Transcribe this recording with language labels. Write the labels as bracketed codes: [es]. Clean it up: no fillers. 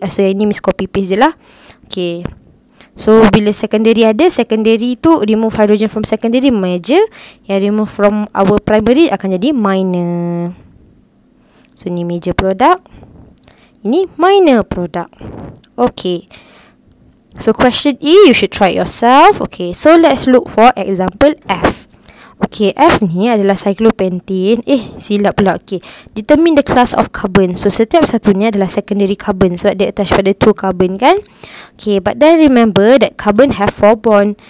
[ms] So yang ni miss copy paste je lah. Okay, so bila secondary ada, secondary tu [en] remove hydrogen from secondary major. [ms] Yang remove from our primary akan jadi minor. So ni major product. Ini minor product. [en] Okay, so question E, you should try yourself. Okay, so let's look for example F. [ms] Okay, F ni adalah cyclopentane. Eh, silap pula. [en] Okay, determine the class of carbon. So [ms] setiap satu ni adalah [en] secondary carbon. [ms] Sebab dia attached pada two carbon kan. [en] Okay, but then remember that carbon have four bond.